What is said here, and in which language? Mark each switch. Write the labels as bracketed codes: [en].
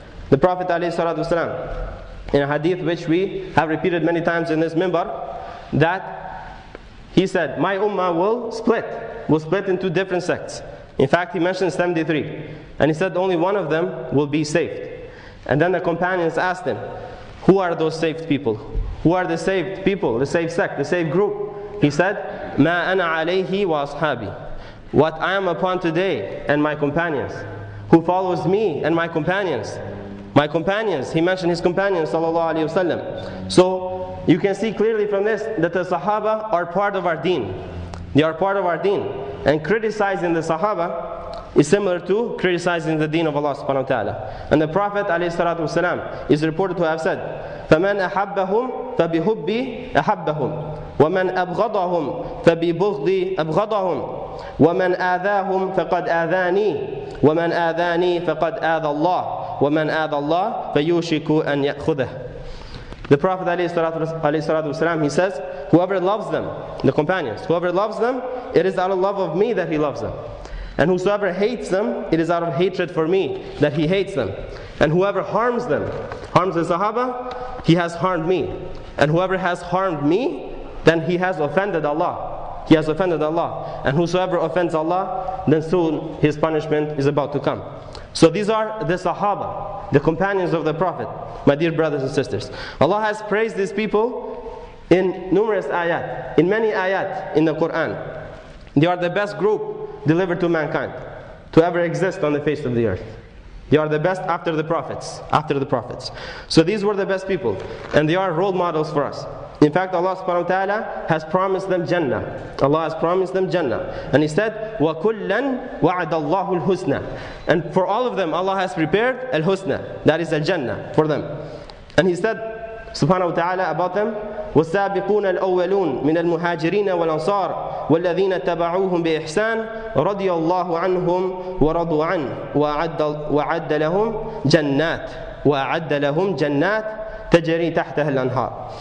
[en] The Prophet, alayhi salatu wasalam, in a hadith which we have repeated many times in this minbar, that he said, my ummah will split into different sects. In fact, he mentioned 73. And he said, only one of them will be saved. And then the companions asked him, who are those saved people? Who are the saved people, the saved sect, the saved group? [ar] He said, مَا أَنَا عَلَيْهِ وَأَصْحَابِي. [en] What I am upon today and my companions, who follows me and my companions. My companions, he mentioned his companions, sallallahu alayhi wasallam. So you can see clearly from this that the Sahaba are part of our deen. They are part of our deen. And criticizing the Sahaba is similar to criticizing the deen of Allah subhanahu wa ta'ala. [ar] And the Prophet alayhi salatu wasalam is reported to have said, فَمَنْ أَحَبَّهُمْ فَبِهُبِّي أَحَبَّهُمْ وَمَنْ أَبْغَضَهُمْ فَبِبُغْضِي أَبْغَضَهُمْ وَمَنْ آذَاهُمْ فَقَدْ آذَانِي وَمَنْ آذَانِي فَقَدْ آذَى اللَّهُ وَمَنْ آذَى اللَّهُ فَيُوشِكُ أَنْ يَأْخُذَهُ. [en] The Prophet alayhi salatu wasalam, he says, whoever loves them, the companions, whoever loves them, it is out of love of me that he loves them. And whosoever hates them, it is out of hatred for me that he hates them. And whoever harms them, harms the Sahaba, he has harmed me. And whoever has harmed me, then he has offended Allah. He has offended Allah. And whosoever offends Allah, then soon his punishment is about to come. So these are the Sahaba, the companions of the Prophet, my dear brothers and sisters. Allah has praised these people in numerous ayat, in many ayat in the Quran. They are the best group delivered to mankind to ever exist on the face of the earth. They are the best after the prophets, after the prophets. So these were the best people, and they are role models for us. In fact, Allah subhanahu wa ta'ala has promised them Jannah. Allah has promised them Jannah. [ar] And He said, وَكُلًّا وَعَدَ اللَّهُ الْحُسْنَى. [en] And for all of them, Allah has prepared Al-Husna. That is Al-Jannah for them. [ar] And He said, subhanahu wa ta'ala, about them, وَالسَّابِقُونَ الْأَوَّلُونَ مِنَ الْمُهَاجِرِينَ وَالْأَنصَارِ وَالَّذِينَ تَبَعُوهُمْ بِإِحْسَانٍ رَضِيَ اللَّهُ عَنْهُمْ وَرَضُوا عَنْهُ وَعَدَّ لَهُمْ جَنَّاتٍ وَعَدَّ لَهُمْ جَنَّاتٍ تَجْرِي تَحْتَهَا الْأَنْهَارُ.